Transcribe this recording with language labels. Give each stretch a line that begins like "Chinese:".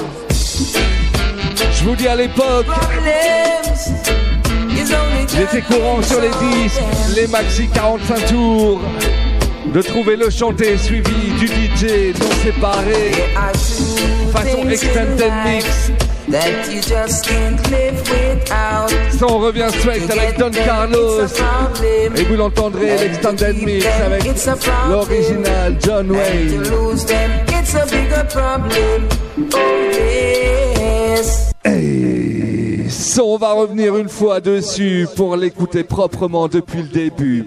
French: Je vous dis à l'époque, il était courant sur les disques, les maxi 45 tours, de trouver le chanté suivi du DJ non séparé, façon extended mix.
English: That you just can't live without.
French: So on revient straight avec Don Carlos. Et vous l'entendrez, l'extended mix avec l'original John Wayne.
English: And to lose them, it's a bigger problem. Oh yes.
French: So on va revenir une fois dessus pour l'écouter proprement depuis le début.